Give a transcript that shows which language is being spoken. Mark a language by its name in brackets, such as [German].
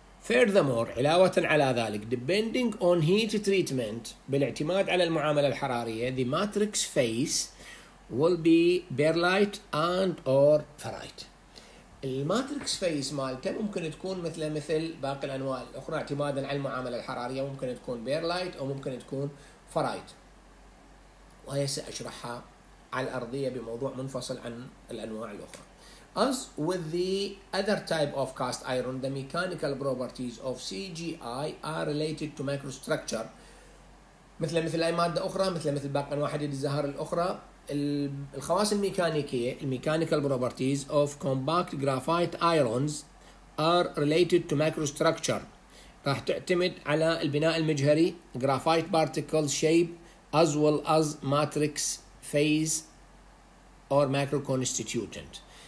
[Arabic] علاوة على ذلك, [English] depending on heat treatment, [Arabic] بالاعتماد على المعاملة الحرارية, [English] the matrix phase will be perlite and or ferrite. [Arabic] الماتريكس phase مالته ممكن تكون مثل باقي الأنواع الأخرى اعتمادا على المعاملة الحرارية ممكن تكون perlite أو ممكن تكون ferrite. وهي سأشرحها على الأرضية بموضوع منفصل عن الأنواع الأخرى. [English] As with the other type of cast iron, the mechanical properties of CGI are related to microstructure. [Arabic] مثل أي مادة أخرى مثل باقي أنواع حديد الزهر الأخرى الخواص الميكانيكية [English] mechanical properties of compact graphite irons are related to microstructure. [Arabic] راح تعتمد على البناء المجهري [English] graphite particle shape as well as matrix phase or macroconstituent.